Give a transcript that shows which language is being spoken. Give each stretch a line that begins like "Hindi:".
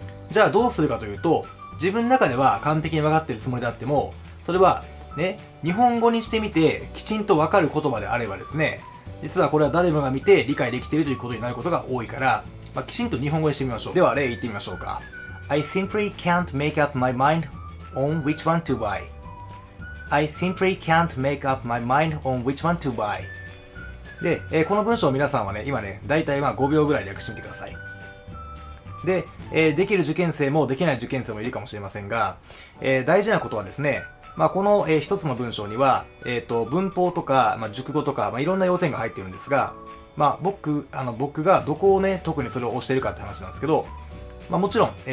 Japanese: じゃあどうするかというと、自分の中では完璧に分かっているつもりであっても、それはね、日本語にしてみてきちんと分かる言葉であればですね、実はこれは誰もが見て理解できているということになることが多いから、まあ、きちんと日本語にしてみましょう。では例言ってみましょうか。
English: I simply can't make up my mind on which one to buy. I simply can't make up my mind on which one to buy.
Japanese: で、この文章を皆さんはね、今ね、大体まあ5秒ぐらい略してみてください。で、できる受験生もできない受験生もいるかもしれませんが、大事なことはですね、まあこの、一つの文章には、文法とか、まあ、熟語とか、まあ、いろんな要点が入っているんですが、まあ僕がどこをね、特にそれを推しているかって話なんですけど、まあもちろん、